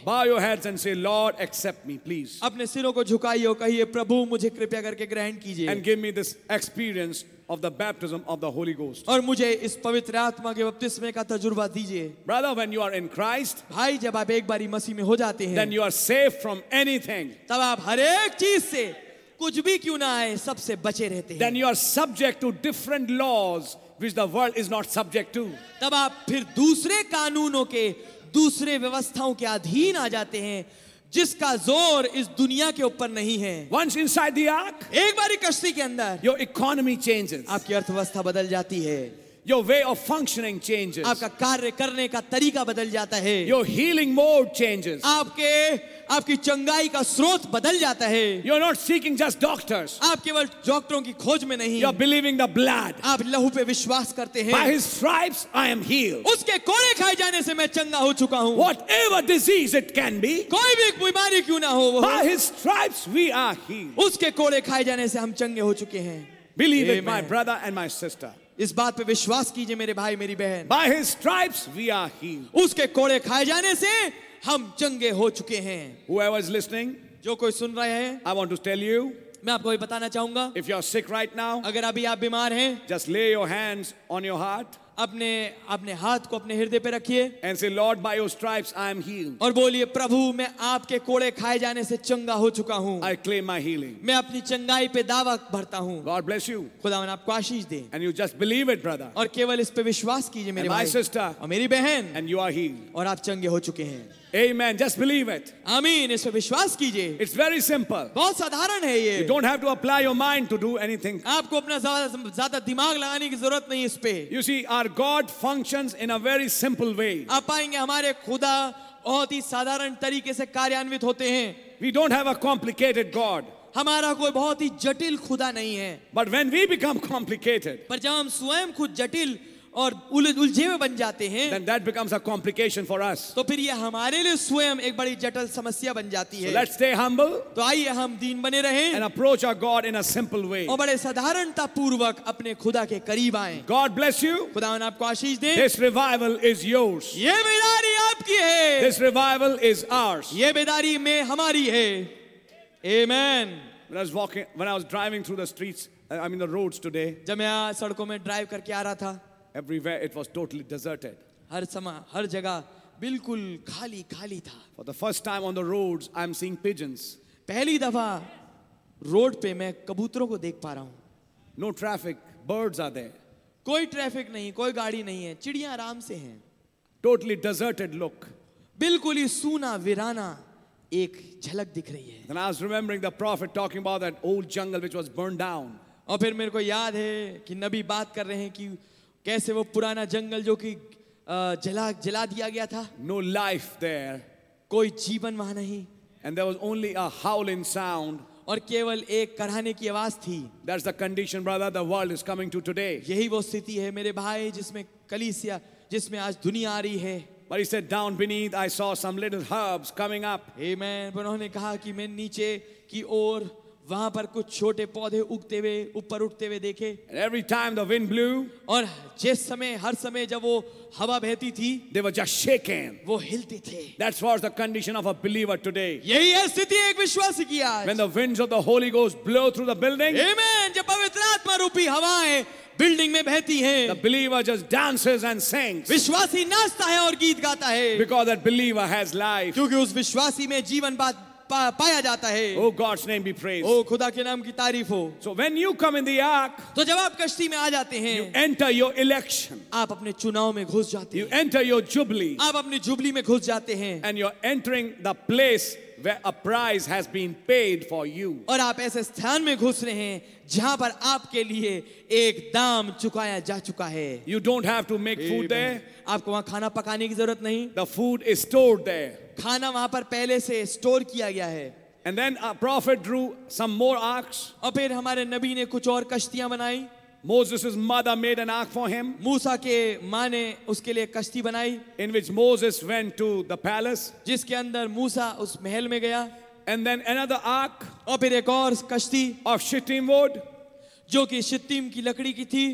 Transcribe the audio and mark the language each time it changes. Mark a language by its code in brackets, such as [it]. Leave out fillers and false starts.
[en] Bow your heads and say, Lord, accept me, please. [hi] अपने सिरों को झुकाइए और कहिए, प्रभु मुझे कृपया करके ग्रहण कीजिए. [en] And give me this experience of the baptism of the Holy Ghost. [hi] और मुझे इस पवित्र आत्मा के बपतिस्मे का तजुर्बा दीजिए. [en] Brother, when you are in Christ, [hi] भाई जब आप एक बारी मसीह में हो जाते हैं, [en] then you are safe from anything. [hi] तब आप हर एक चीज से कुछ भी क्यों ना आए सबसे बचे रहते हैं. [en] Then you are subject to different laws which the world is not subject to. [hi] तब आप फिर दूसरे कानूनों के दूसरे व्यवस्थाओं के अधीन आ जाते हैं जिसका जोर इस दुनिया के ऊपर नहीं है. [en] Once inside the ark, [hi] एक बारी कश्ती के अंदर, [en] your economy changes. [hi] आपकी अर्थव्यवस्था बदल जाती है. [en] Your way of functioning changes. [hi] आपका कार्य करने का तरीका बदल जाता है. [en] Your healing mode changes. [hi] आपके आपकी चंगाई का स्रोत बदल जाता है. [en] You're not seeking just doctors. [hi] आप केवल डॉक्टरों की खोज में नहीं. [en] You're believing the blood. [hi] आप लहू पे विश्वास करते हैं. [en] By his stripes I am healed. [hi] उसके कोरे खाए जाने से मैं चंगा हो चुका हूँ. [en] Whatever disease it can be. [hi] कोई भी बीमारी क्यों ना हो. [en] By his stripes we are healed. [hi] उसके कोरे खाए जाने से हम चंगे हो चुके हैं. [en] Believe it, my brother and my sister. [hi] इस बात पे विश्वास कीजिए मेरे भाई मेरी बहन. [en] By his stripes we are healed. [hi] उसके कोड़े खाए जाने से हम चंगे हो चुके हैं. [en] Whoever is listening, [hi] जो कोई सुन रहे हैं, [en] I want to tell you, [hi] मैं आपको ये बताना चाहूंगा, [en] if you are sick right now, [hi] अगर अभी आप बीमार हैं, [en] just lay your hands on your heart, [hi] अपने अपने हाथ को अपने हृदय पे रखिए, [en] and say, Lord, by your stripes I am healed. [hi] और बोलिए, प्रभु मैं आपके कोड़े खाए जाने से चंगा हो चुका हूँ. [en] I claim my healing. [hi] मैं अपनी चंगाई पे दावा भरता हूँ. [en] God bless you. [hi] खुदावन आपको आशीष दे. [en] And you just believe it, brother. [hi] और केवल इस पे विश्वास कीजिए मेरे भाई. [en] My sister. [hi] और मेरी बहन. [en] And you are healed. [hi] और आप चंगे हो चुके हैं. [en] Amen. Just believe it. [hi] Amen. इस पे विश्वास कीजिए. [en] It's very simple. [hi] बहुत साधारण है ये. [en] You don't have to apply your mind to do anything. [hi] आपको अपना ज़्यादा दिमाग लगाने की ज़रूरत नहीं इस पे. [en] You see, our God functions in a very simple way. [hi] आप पाएंगे हमारे खुदा बहुत ही साधारण तरीके से कार्यान्वित होते हैं. [en] We don't have a complicated God. [hi] हमारा कोई बहुत ही जटिल खुदा नहीं है. [en] But when we become complicated, [hi] पर जब हम स्वयं खुद जटिल और उलझे में बन जाते हैं, [en] then that becomes a complication for us. [hi] तो फिर ये हमारे लिए स्वयं एक बड़ी जटिल समस्या बन जाती है. [en] So let's stay humble. [hi] तो आइए हम दीन बने रहें. [en] And approach our God in a simple way. [hi] और बड़े साधारणता पूर्वक अपने खुदा के करीब आएं. [en] God bless you. [hi] खुदावन आपको आशीष दे. [en] This revival is yours. [hi] ये बेदारी आपकी है. [en] This revival is ours. [hi] ये बेदारी में हमारी है. Amen. [en] When I was driving through the roads today. [hi] जब मैं सड़कों में ड्राइव करके आ रहा था. [en] Everywhere it was totally deserted. [hi] हर समा हर जगह बिल्कुल खाली खाली था. [en] For the first time on the roads, I am seeing pigeons. [hi] पहली दफा रोड पे मैं कबूतरों को देख पा रहा हूँ. [en] No traffic, birds are there. [hi] कोई ट्रैफिक नहीं, कोई गाड़ी नहीं है, चिड़ियाँ आराम से हैं. [en] Totally deserted look. [hi] बिल्कुल ही सूना वीराना एक झलक दिख रही है. [en] Then I was remembering the prophet talking about that old jungle which was burned down. [hi] और फिर मेरे को याद है कि नबी बात कर रहे हैं कि कैसे वो पुराना जंगल जो कि जला जला दिया गया था. [en] No life there. [hi] कोई जीवन वहां नहीं. [en] And there was only a howling sound. [hi] और केवल एक कराहने की आवाज थी. [en] That's the condition, brother, the world is coming to today. [hi] यही वो स्थिति है मेरे भाई जिसमें कलीसिया जिसमें आज दुनिया आ रही है. [en] But he said, down beneath I saw some little herbs coming up. Amen. [hi] पर उन्होंने कहा कि मैं नीचे की ओर वहां पर कुछ छोटे पौधे उगते हुए ऊपर उठते हुए देखे. [en] And every time the wind blew, [hi] और जिस समय हर समय जब वो हवा बहती थी, [en] they were just shaken. [hi] वो हिलते थे. [en] That's what's the condition of a believer today. [hi] यही है स्थिति एक विश्वासी की आज. [en] When the winds of the Holy Ghost blow through the building, Amen. [hi] जब पवित्र आत्मा रूपी हवाएं बिल्डिंग में बहती हैं, [en] the believer just dances and sings. [hi] विश्वासी नाचता है और गीत गाता है. [en] Because that believer has life. [hi] क्योंकि उस विश्वासी में जीवन बात पाया जाता है. [en] Oh, God's name be praised. [hi] Oh, खुदा के नाम की तारीफ हो. [en] So when you come in the ark, [hi] तो जब आप कश्ती में आ जाते हैं, [en] you enter your election. [hi] आप अपने चुनाव में घुस जाते हैं. [en] You enter your jubilee. [hi] आप अपनी जुबली में घुस जाते हैं. [en] And you're entering the place where a price has been paid for you. [hi] और आप ऐसे स्थान में घुस रहे हैं जहां पर आपके लिए एक दाम चुकाया जा चुका है. [en] You don't have to make food there. [hi] आपको वहां खाना पकाने की जरूरत नहीं. [en] The food is stored there. [hi] खाना वहां पर पहले से स्टोर किया गया है. [en] And then a prophet drew some more arks. [hi] और फिर हमारे नबी ने कुछ और कश्तियां बनाई. [en] Moses' mother made an ark for him. [hi] मूसा के माँ ने उसके लिए कश्ती बनाई. [en] In which Moses went to the palace. [hi] जिसके अंदर मूसा उस महल में गया. [en] And then another ark. [hi] और फिर एक और कश्ती. [en] Of shittim wood. [hi] जो कि शित्तीम की लकड़ी की थी.